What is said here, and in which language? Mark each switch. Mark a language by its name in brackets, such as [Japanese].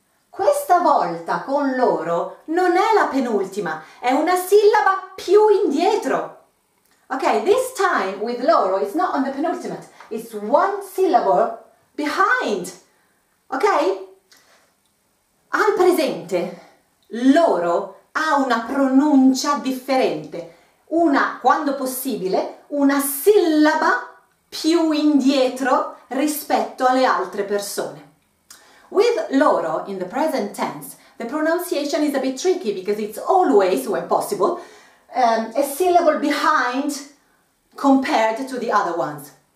[Italian] Questa volta con loro non è la penultima, è una sillaba più indietro. [English] Ok, this time with loro it's not on the penultimate. It's one syllable behind, ok? [Italian] Al presente loro ha una pronuncia differente, una, quando possibile, una sillaba più indietro rispetto alle altre persone. [English] With loro, in the present tense, the pronunciation is a bit tricky because it's always, when possible, a syllable behind compared to the other ones.